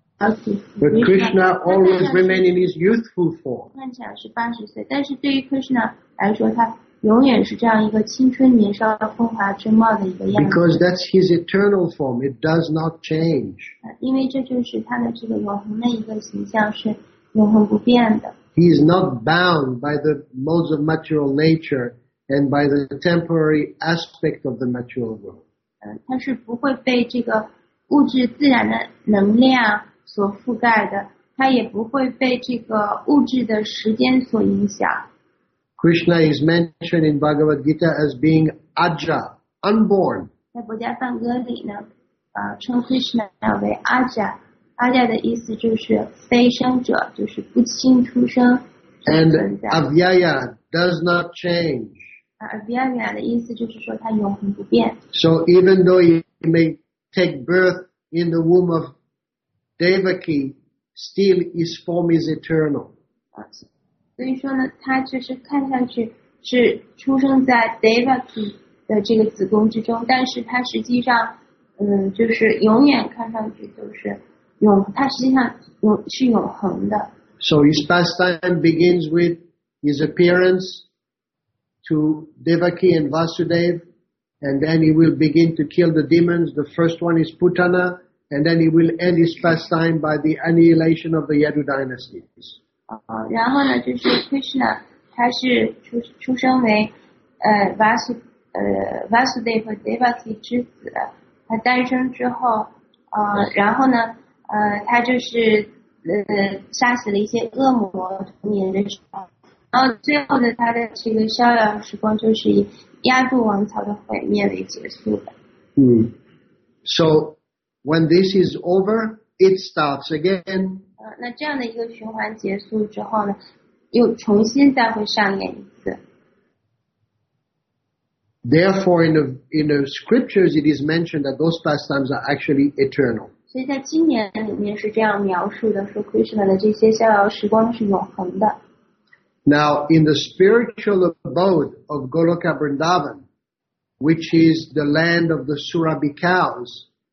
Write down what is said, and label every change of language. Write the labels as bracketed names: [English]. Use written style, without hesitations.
[English] But Krishna always remained in his youthful form. [Chinese] 看起来是八十岁，但是对于 Krishna 来说，他永远是这样一个青春年少、风华正茂的一个样子。 [English] Because that's his eternal form; it does not change. [Chinese] 因为这就是他的这个永恒的一个形象，是永恒不变的。 [English] He is not bound by the modes of material nature and by the temporary aspect of the material world. [Chinese] 他是不会被这个物质自然的能量所覆盖的，他也不会被这个物质的时间所影响。 [English] Krishna is mentioned in Bhagavad Gita as being Aja, unborn. [Chinese] 在薄伽梵歌里呢，称 Krishna 为 Aja。 Aja 的意思就是非生者，就是不清出生。 [English] And Avyaya does not change. [Chinese] Avyaya 的意思就是说他永恒不变。 [English] So even though he may take birth in the womb of Devaki, still his form is eternal. [Chinese] 所以说呢，他就是看上去是出生在 Devaki 的这个子宫之中，但是他实际上，就是永远看上去就是永，他实际上是永恒的。 [English] So his pastime begins with his appearance to Devaki and Vasudev, and then he will begin to kill the demons. The first one is Putana. And then he will end his pastime by the annihilation of the Yadu dynasties. [Chinese] 然后呢，就是 Krishna， 他是出生为Vasudeva Devaki 之子。他诞生之后，然后呢，他就是杀死了一些恶魔童年的时候，然后最后的他的这个逍遥时光就是以亚度王朝的毁灭为结束的。 [English] So. When this is over, it starts again. [Chinese] 那这样的一个循环结束之后呢，又重新再会上演一次。 [English] Therefore, in the scriptures, it is mentioned that those pastimes are actually eternal. [Chinese] 所以在经典里面是这样描述的，说 Krishna 的这些逍遥时光是永恒的。 [English] Now, in the spiritual abode of Goloka Vrindavan, which is the land of the Surabhi cows.